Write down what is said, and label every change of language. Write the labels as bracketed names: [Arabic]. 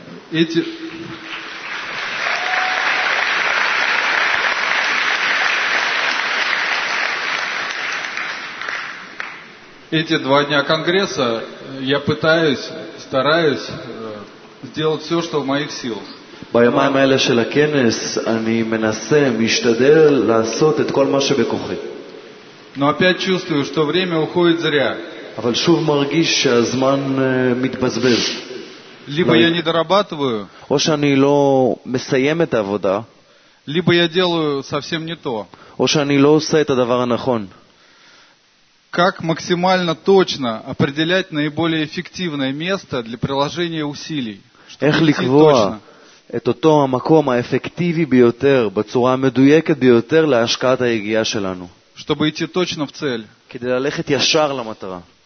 [Russian] эти эти два дня конгресса я пытаюсь, стараюсь сделать все, что в моих силах. [Hebrew] בימים האלה של הכנס אני מנסה, משתדל לעשות את כל מה שבכוחי. [Russian] Но опять чувствую, что время уходит зря. [Hebrew] אבל שוב מרגיש שהזמן מתבזבז. [Russian] Либо я не дорабатываю, [Hebrew] או שאני לא מסיים את העבודה, [Russian] либо я делаю совсем не то, [Hebrew] או שאני לא עושה את הדבר הנכון. [Russian] Как максимально точно определять наиболее эффективное место для приложения усилий? [Hebrew] איך לקבוע את אותו המקום האפקטיבי ביותר, בצורה המדויקת ביותר להשקעת היגיעה שלנו? [Russian] Чтобы идти точно в цель. [Hebrew] כדי ללכת ישר למטרה.